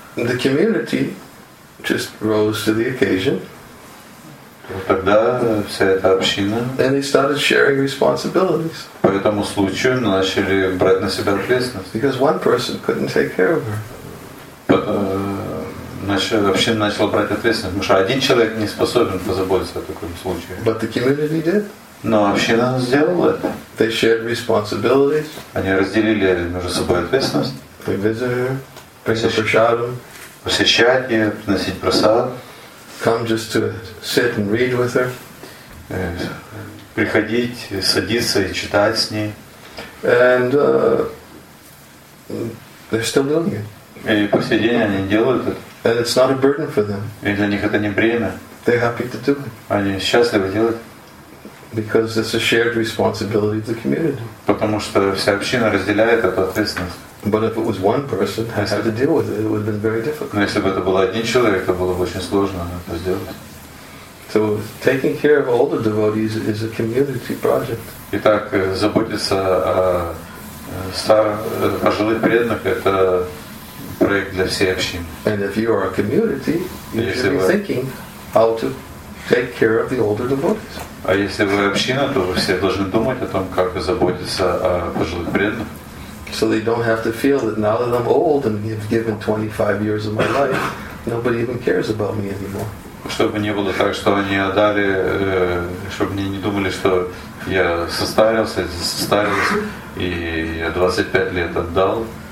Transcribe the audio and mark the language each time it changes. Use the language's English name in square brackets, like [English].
[English] The community just rose to the occasion. [Russian] Тогда вся эта община. [English] And they started sharing responsibilities. [Russian] По этому случаю начали брать на себя ответственность. [English] Because one person couldn't take care of her. [Russian] Община начала брать ответственность, потому что один человек не способен позаботиться о таком случае. [English] But the community did. [Russian] Но община сделала это. [English] They shared responsibilities. [Russian] Они разделили между собой ответственность. [English] They visited her, bring prasadam. [Russian] Посещать ее, приносить просад. [English] Come just to sit and read with her. [Russian] Приходить, садиться и читать с ней. [English] And they're still doing it. [Russian] И по сей день они делают это. [English] And it's not a burden for them. [Russian] И для них это не бремя. [English] They're happy to do it. [Russian] Они счастливы делать. [English] Because it's a shared responsibility of the community. [Russian] Потому что вся община разделяет эту ответственность. [English] But if it was one person, I had to deal with it. It would have been very difficult. [Russian] Но если бы это был один человек, то было бы очень сложно это сделать. [English] So taking care of older devotees is a community project. [Russian] Итак, заботиться о старых, пожилых преданных – это проект для всей общины. [English] And if you are a community, you should be thinking how to take care of the older devotees. [Russian] А если вы община, то вы все должны думать о том, как заботиться о пожилых преданных. [English] So they don't have to feel that now that I'm old and have given 25 years of my life, nobody even cares about me anymore. [Russian] Чтобы не было так, что они отдали, чтобы они не думали, что я состарился, и я 25 лет отдал,